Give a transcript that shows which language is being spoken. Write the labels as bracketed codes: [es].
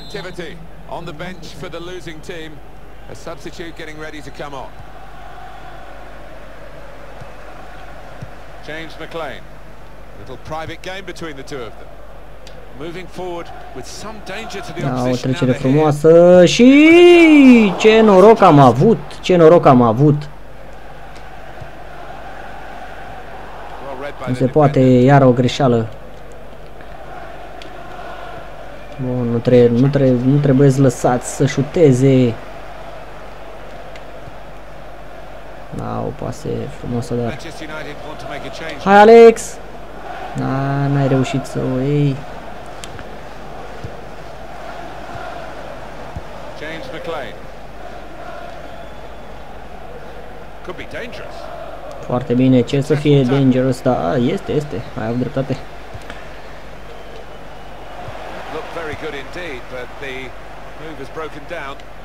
[en] Activity on the bench for the losing team. A substitute getting ready to come on. James McLean. A little private game between the two of them. Moving forward with some danger to the opposition. [ro] O trecere frumoasă și ce noroc am avut, ce noroc am avut. Nu se poate, iar o greșeală. Bun, nu trebuie să lăsați să șuteze. Da, o pasă frumoasă, dar. Hai Alex. Na, n-ai reușit să o iei. [en] James McLean. Could be dangerous. [ro] Foarte bine, ce să fie dangerous, dar este, este, ai avut dreptate. [en] Look very good indeed, but the move is broken down.